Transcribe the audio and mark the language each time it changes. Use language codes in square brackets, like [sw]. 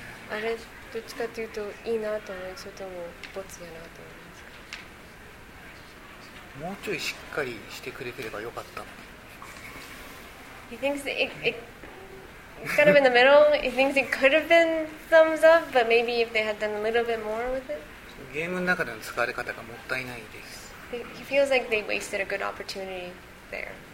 [ja] あれどっちかというといいなと思う、それともボツやなと思いますか。もうちょいしっかりしてくれてればよかったのに。 [en] He thinks it kind of in the middle. He thinks it could have been thumbs up, but maybe if they had done a little bit more with it. [ja] ゲームの中での使われ方がもったいないです。 [en] He feels like they wasted a good opportunity there.